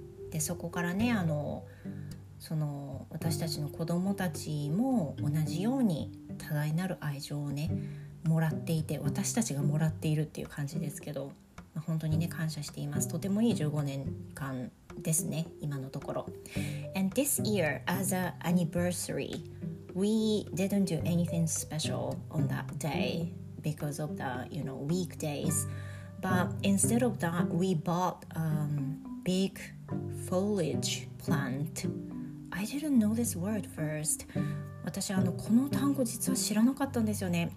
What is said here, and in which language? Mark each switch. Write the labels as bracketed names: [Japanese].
[Japanese] でそこからね、その私たちの子供たちも同じように多大なる愛情をねもらっていて、私たちがもらっているっていう感じですけど、まあ、本当にね感謝しています。とてもいい15年間ですね今のところ。 [English] And this year as an anniversary we didn't do anything special on that day because of the you know weekdays but instead of that we bought big foliage plant。 I didn't know this word first。 [Japanese] 私この単語実は知らなかったんですよね。